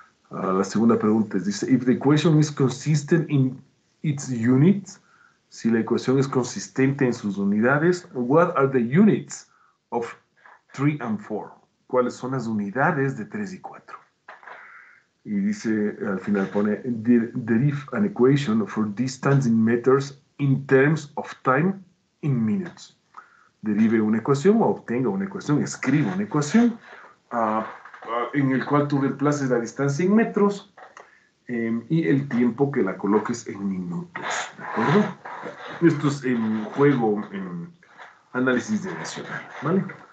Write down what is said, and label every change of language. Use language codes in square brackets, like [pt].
[es] La segunda pregunta es, dice, [en] if the equation is consistent in its units, [es] si la ecuación es consistente en sus unidades, [en] what are the units of 3 and 4? [es] ¿Cuáles son las unidades de 3 y 4? Y dice, al final pone, [en] derive an equation for distance in meters in terms of time in minutes. [es] Derive una ecuación o obtenga una ecuación, escriba una ecuación en el cual tú reemplaces la distancia en metros y el tiempo que la coloques en minutos, ¿de acuerdo? Esto es en juego, en análisis dimensional, ¿vale?